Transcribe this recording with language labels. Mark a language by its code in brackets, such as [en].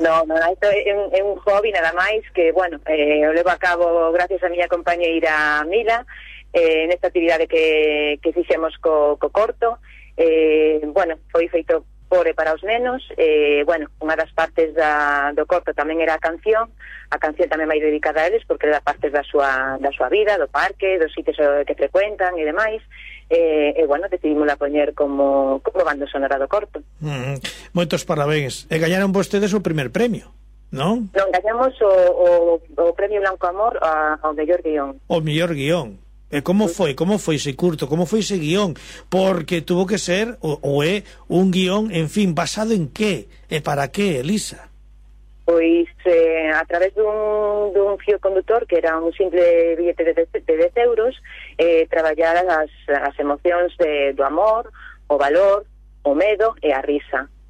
[es] No, esto es un hobby nada más que, bueno, lo llevo a cabo gracias a mi compañera Mila, en esta actividad que hicimos co corto. [gl] Bueno, fue feito por e para os nenos. Bueno, una de las partes do corto también era a canción. A canción también vai dedicada a eles porque era parte da súa vida, do parque, dos sitios que frecuentan e demais. Bueno, decidimos la poñer como banda sonora do corto. Moitos parabéns. E gañaron vostedes o primer premio, non? Non, gañamos o premio Blanco Amor ao mellor guión. O mellor guión. [es] ¿Cómo fue ese curto? ¿Cómo fue ese guión? Porque tuvo que ser, o un guión, en fin, ¿basado en qué? ¿Para qué, Elisa? Pues a través de un fío conductor, que era un simple billete de 10 euros, trabajar las emociones de amor, o valor, o medo, y a risa.